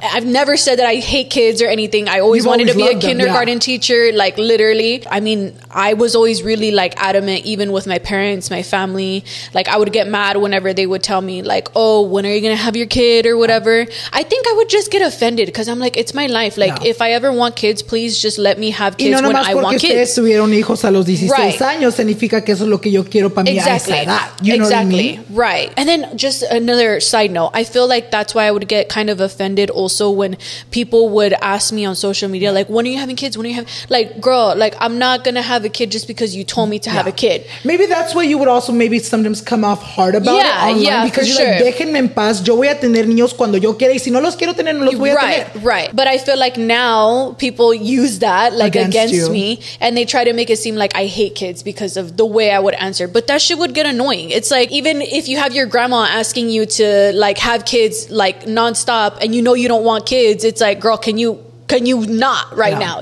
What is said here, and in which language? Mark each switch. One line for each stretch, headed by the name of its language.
English: I've never said that I hate kids or anything. I always wanted to be a kindergarten teacher, like literally. I mean, I was always really like adamant, even with my parents, my family. Like I would get mad whenever they would tell me like, oh, when are you gonna have your kid or whatever. I think I would just get offended because I'm like, it's my life. Like if I ever want kids, please just let me have kids when I want kids.
Spanish: Y no nomás porque ustedes tuvieron hijos a los 16 right. años significa que eso es lo que yo quiero para mí a esa edad.
English: You know what I mean? Right. And then just another side note, I feel like that's why I would get kind of offended also when people would ask me on social media, like, when are you having kids? When are you having, like, girl, like, I'm not going to have a kid just because you told me to have a kid. Maybe that's why you would also maybe sometimes come off hard about it online. Yeah, because you're like,
Spanish: déjenme en paz. Yo voy a tener niños cuando yo quiera. Y si no los quiero tener, no los voy a tener. Right.
English: But I feel like now people use that like against me and they try to make it seem like I hate kids because of the way I would answer. But that shit would get annoying. It's like, even if you have your grandma asking you to like have kids like nonstop and you know you don't want kids, it's like, girl, can you not right now?